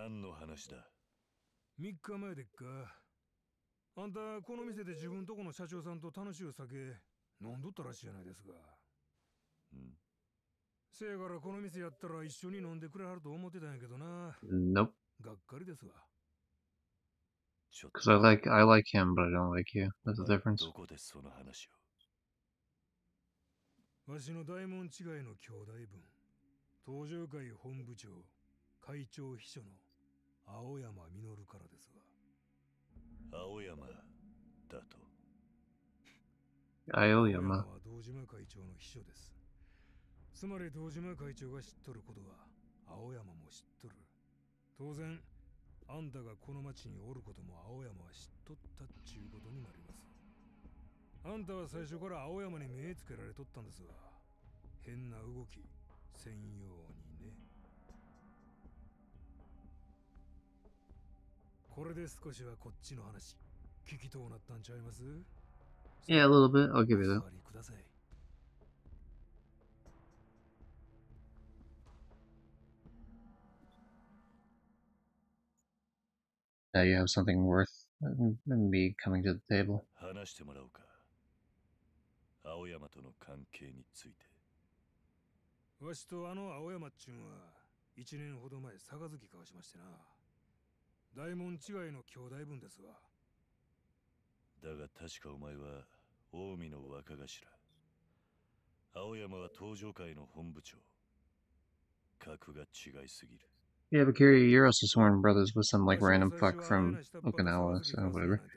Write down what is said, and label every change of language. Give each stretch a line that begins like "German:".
Japanese: 何の話だ。 3日前でっか。あんたこの店で自分とこの社長さんと楽しい酒飲んどったらしいじゃないですか。うん、せやからこの店やったら一緒に飲んでくれはると思ってたんやけどな。
English: Nope.
Japanese: がっかりですわ。
English: Because I like him, but I don't like you. That's the difference.
Japanese: どこでその話を。わしの大門違いの兄弟分、東城会本部長、会長秘書の青山実からですわ。青山だと。青山は堂島会長の秘書です。つまり堂島会長が知っとることは青山も知っとる。当然あんたがこの町におることも青山は知っとったっちゅうことになります。あんたは最初から青山に目つけられとったんですが、変な動き専用にね。これで少しはこっちの話聞きとうなったんちゃいます。
English: Yeah, a little bit. I'll give you that.
Japanese: ください。
English: Now you have something worth me coming to the table.
Japanese: 話してもらおうか。青山との関係について。わしとあの青山っちゅんは一年ほど前杯交わしましてな。大門違いの兄弟分ですわ。だが確かお前は近江の若頭。青山は東城会の本部長。格が違いすぎる。
English: Yeah, but Kiri, you're also sworn brothers with some like random fuck from Okinawa, so whatever.